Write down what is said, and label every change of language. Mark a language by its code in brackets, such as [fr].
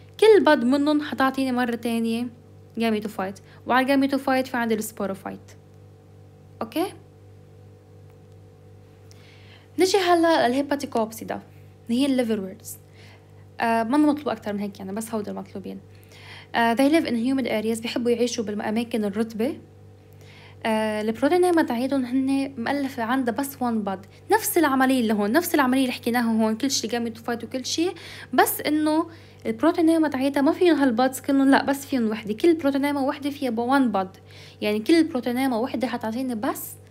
[ar] كل بد منهم حتعطيني مرة تانية جاميتوفايت، وعلى الجاميتوفايت في عندي السبوروفايت. اوكي نجي هلا للهيباتيكوبسي، ده اللي هي الليفرورتس. ما مطلوب اكثر من هيك يعني، بس هودا المطلوبين. [en] they live in humid areas، [ar] بيحبوا يعيشوا بالاماكن الرطبه. البروتينيما تعيدهم هن مؤلف عنده بس وان بد، نفس العمليه اللي هون، نفس العمليه اللي حكيناها هون، كل شيء جاميتوفايت وكل شيء، بس انه البروتينيما تعيدها ما فيهم هالبادز كلهم، لا بس فيهم وحده. كل بروتينيما وحده فيها وان بد، يعني كل بروتينيما وحده حتعطيني بس